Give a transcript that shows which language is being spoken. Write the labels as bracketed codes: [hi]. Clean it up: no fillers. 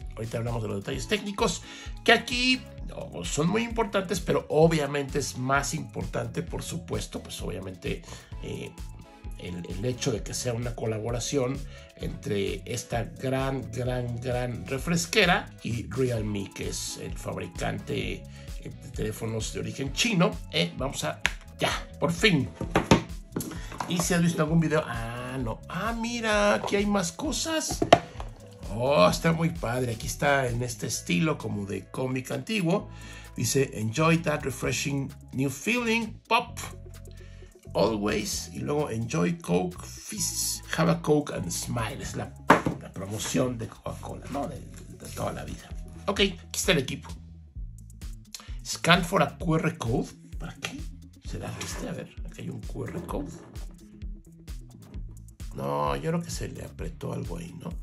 [es] Ahorita hablamos de los detalles técnicos, que aquí son muy importantes, pero obviamente es más importante, por supuesto, pues obviamente el hecho de que sea una colaboración entre esta gran, gran, gran refresquera y Realme, que es el fabricante de teléfonos de origen chino. Vamos a... ¡Ya! ¡Por fin! ¿Y si has visto algún video? ¡Ah, no! ¡Ah, mira! ¡Aquí hay más cosas! ¡Oh, está muy padre! Aquí está en este estilo como de cómic antiguo. Dice, [en] enjoy that refreshing new feeling, pop, always. [es] Y luego, [en] enjoy Coke Fizz, have a Coke and smile. [es] Es la promoción de Coca-Cola, ¿no? De toda la vida. Ok, aquí está el equipo. [en] Scan for a QR code. [es] ¿Para qué? ¿Será este? A ver, aquí hay un QR code. No, yo creo que se le apretó algo ahí, ¿no?